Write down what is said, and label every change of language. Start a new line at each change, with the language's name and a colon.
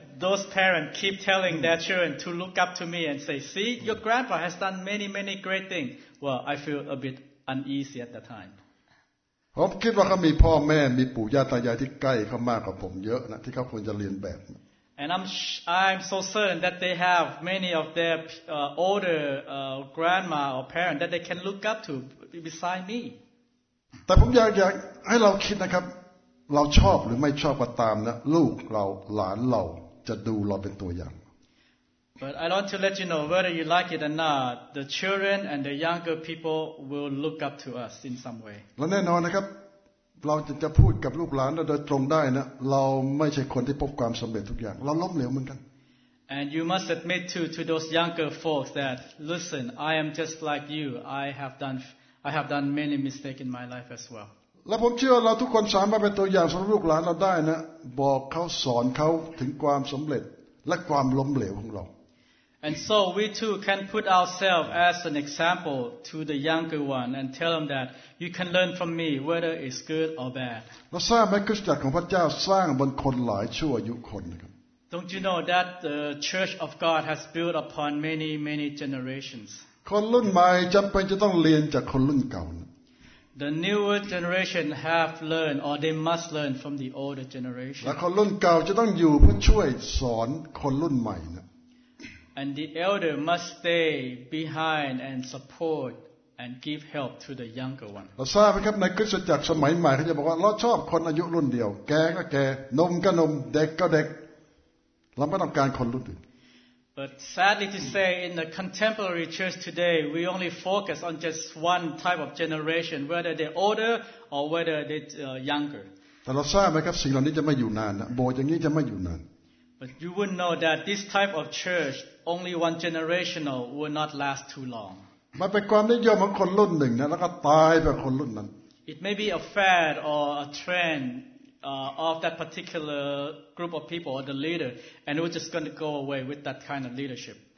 English: those parents keep telling their children to look up to me and say, see, your grandpa has done many, many great things. Well, I feel a bit uneasy at the time.
Thai: ผมคิดว่าเขามีพ่อแม่มีปู่ย่าตายายที่ใกล้เขามากกว่าผมเยอะนะที่เขาควรจะเรียนแบบ
English: And I'm so certain that they have many of their older grandma or parent that they can look up to beside me.
Thai: แต่ผมอยากให้เราคิดนะครับเราชอบหรือไม่ชอบก็ตามนะลูกเราหลานเราจะดูเราเป็นตัวอย่าง
English: But I want to let you know whether you like it or not, the children and the younger people will look up to us in some way.
Thai: และแน่นอนนะครับเราจะพูดกับลูกหลานเราโดยตรงได้นะเราไม่ใช่คนที่พบความสำเร็จทุกอย่างเราล้มเหลวเหมือนกัน
English: And you must admit to those younger folks that listen, I am just like you. I have done many mistakes in my life as well.
Thai: และผมเชื่อเราทุกคนสามารถเป็นตัวอย่างสำหรับลูกหลานเราได้นะบอกเขาสอนเขาถึงความสำเร็จและความล้มเหลวของเรา
English: And so we too can put ourselves as an example to the younger one and tell them that you can learn from me whether it's good or bad.
Thai: เราสร้างให้คริสตจักรของพระเจ้าสร้างบนคนหลายชั่วอายุคนนะครับ
English: Don't you know that the Church of God has built upon many many generations?
Thai: คนรุ่นใหม่จำเป็นจะต้องเรียนจากคนรุ่นเก่านะ
English: The newer generation have learned, or they must learn from the older generation.
Thai: และคนรุ่นเก่าจะต้องอยู่เพื่อช่วยสอนคนรุ่นใหม่นะ
English: And the elder must stay behind and support and give help to the younger one.
Thai: เราทราบไหมครับในคริสตจักรสมัยใหม่เขาจะบอกว่าเราชอบคนอายุรุ่นเดียวแก่ก็แก่นมก็นมเด็กก็เด็กเราไม่ต้องการคนรุ่นอื่น
English: But sadly to say, in the contemporary church today, we only focus on just one type of generation, whether they're older or whether they're younger.
Thai: แต่เราทราบไหมครับสิ่งเหล่านี้จะไม่อยู่นานนะโบสถ์อย่างนี้จะไม่อยู่นาน
English: But you would know that this type of church, only one generational, will not last too long.
Thai: มันเป็นความนิยมของคนรุ่นหนึ่งนะแล้วก็ตายไปคนรุ่นนั้น
English: It may be a fad or a trend. Of that particular group of people or the leader, and we're just going to go away with that kind of leadership.